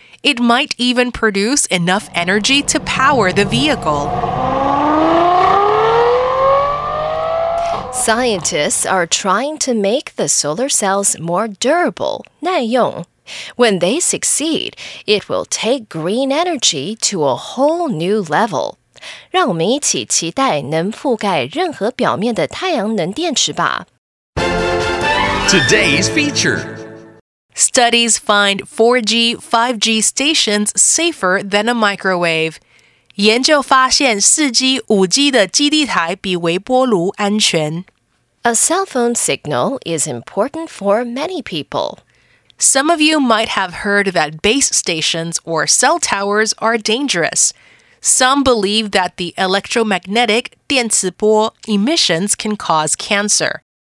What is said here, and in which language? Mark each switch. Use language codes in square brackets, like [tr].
[en] It might even produce enough energy to power the vehicle. Scientists are trying to make the solar cells more durable, 耐用. When they succeed, it will take green energy to a whole new level. [zh] 让我们一起期待能覆盖任何表面的太阳能电池吧。 [en] Today's feature. Studies find 4G, 5G stations safer than a microwave. [zh] 研究发现 4G, 5G 的基地台比微波炉安全。 [en] A cell phone signal is important for many people. Some of you might have heard that base stations or cell towers are dangerous. Some believe that the electromagnetic 电磁波 emissions can cause cancer.